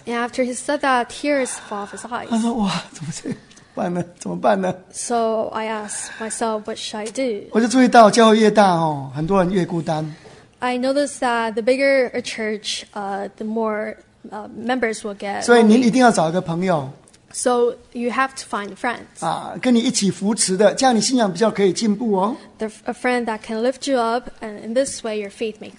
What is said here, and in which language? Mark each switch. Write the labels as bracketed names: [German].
[English] And after he said that, tears fall off his eyes. [Chinese] 他说哇，怎么这样？办呢？怎么办呢 [English] ？So I asked myself, what should I do? [Chinese] 我就注意到教会越大哦，很多人越孤单。 [English] I noticed that the bigger a church, the more members will get. [Chinese] 所以您一定要找一个朋友。 [English] So you have to find friends. [Chinese] 啊，跟你一起扶持的，这样你信仰比较可以进步哦。 [English] A friend that can lift you up, and in this way, your faith may grow.